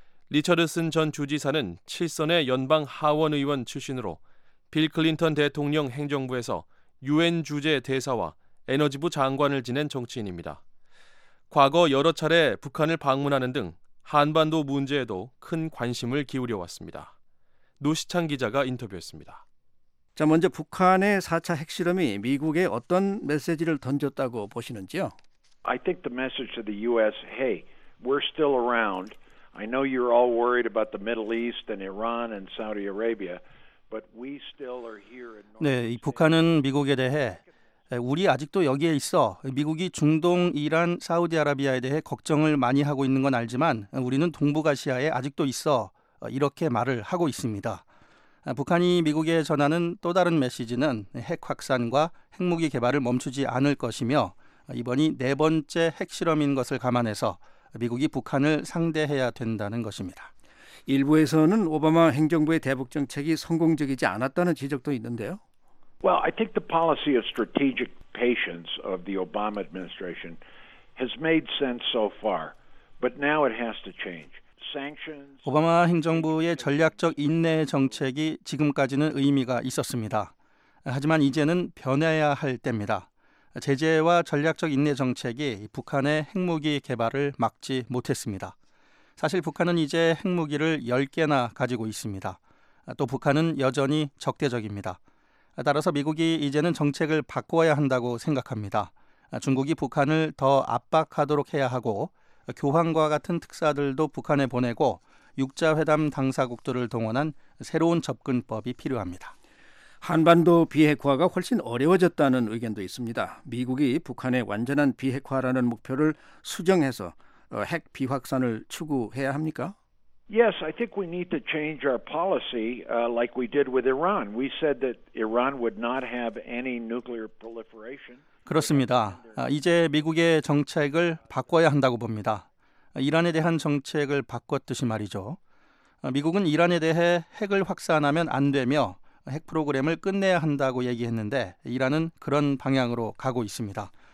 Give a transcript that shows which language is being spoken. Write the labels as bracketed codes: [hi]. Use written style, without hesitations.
[ko] 리처드슨 전 주지사는 7선의 연방 하원의원 출신으로 빌 클린턴 대통령 행정부에서 유엔 주재 대사와 에너지부 장관을 지낸 정치인입니다. 과거 여러 차례 북한을 방문하는 등 한반도 문제에도 큰 관심을 기울여 왔습니다. 노시창 기자가 인터뷰했습니다. 자, 먼저 북한의 4차 핵실험이 미국에 어떤 메시지를 던졌다고 보시는지요? [en] I think the message to the US, hey, we're still around. I know you're all worried about the Middle East and Iran and Saudi Arabia, but we still are here in North. [ko] 네, 이 북한은 미국에 대해 우리 아직도 여기에 있어. 미국이 중동, 이란, 사우디아라비아에 대해 걱정을 많이 하고 있는 건 알지만 우리는 동북아시아에 아직도 있어. 이렇게 말을 하고 있습니다. 북한이 미국에 전하는 또 다른 메시지는 핵 확산과 핵무기 개발을 멈추지 않을 것이며 이번이 네 번째 핵실험인 것을 감안해서 미국이 북한을 상대해야 된다는 것입니다. 일부에서는 오바마 행정부의 대북 정책이 성공적이지 않았다는 지적도 있는데요. [en] Well, I think the policy of strategic patience of the Obama administration has made sense so far, but now it has to change. [ko] 오바마 행정부의 전략적 인내 정책이 지금까지는 의미가 있었습니다. 하지만 이제는 변해야 할 때입니다. 제재와 전략적 인내 정책이 북한의 핵무기 개발을 막지 못했습니다. 사실 북한은 이제 핵무기를 10개나 가지고 있습니다. 또 북한은 여전히 적대적입니다. 따라서 미국이 이제는 정책을 바꿔야 한다고 생각합니다. 중국이 북한을 더 압박하도록 해야 하고 교황과 같은 특사들도 북한에 보내고 육자회담 당사국들을 동원한 새로운 접근법이 필요합니다. 한반도 비핵화가 훨씬 어려워졌다는 의견도 있습니다. 미국이 북한의 완전한 비핵화라는 목표를 수정해서 핵 비확산을 추구해야 합니까? [en] Yes, I think we need to change our policy like we did with Iran. We said that Iran would not have any nuclear proliferation. [ko] 그렇습니다. 이제 미국의 정책을 바꿔야 한다고 봅니다. 이란에 대한 정책을 바꿨듯이 말이죠. 미국은 이란에 대해 핵을 확산하면 안 되며 핵 프로그램을 끝내야 한다고 얘기했는데 이란은 그런 방향으로 가고 있습니다.